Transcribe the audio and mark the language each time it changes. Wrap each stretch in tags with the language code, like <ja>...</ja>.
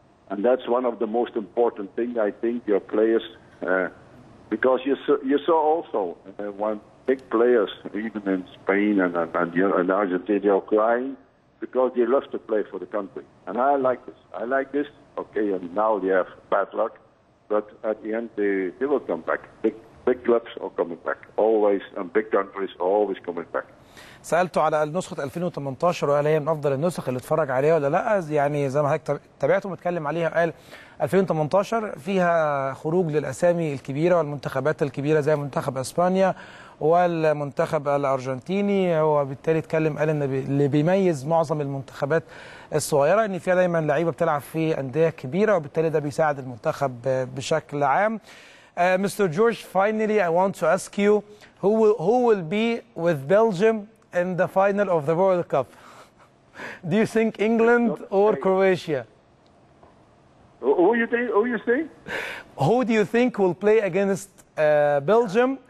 <en>And that's one of the most important things, I think, your players. Because you saw also when big players, even in Spain and Argentina, they are crying because they love to play for the country. And I like this. Okay, and now they have bad luck. but at the end they will come back. Big clubs are coming back. Always, and big countries are always coming back.</en> <ar>سألته على نسخة 2018 وقال هي من أفضل النسخ اللي اتفرج عليها ولا لا يعني زي ما حضرتك تابعته متكلم عليها قال 2018 فيها خروج للأسامي الكبيرة والمنتخبات الكبيرة زي منتخب إسبانيا والمنتخب الأرجنتيني وبالتالي اتكلم قال إن اللي بيميز معظم المنتخبات الصغيرة إن فيها دايما لعيبة بتلعب في أندية كبيرة وبالتالي ده بيساعد المنتخب بشكل عام.</ar> <en>Mr. George, finally I want to ask you who will be with Belgium in the final of the World Cup. Do you think England or Croatia? Who you say? Who do you think will play against Belgium?</en>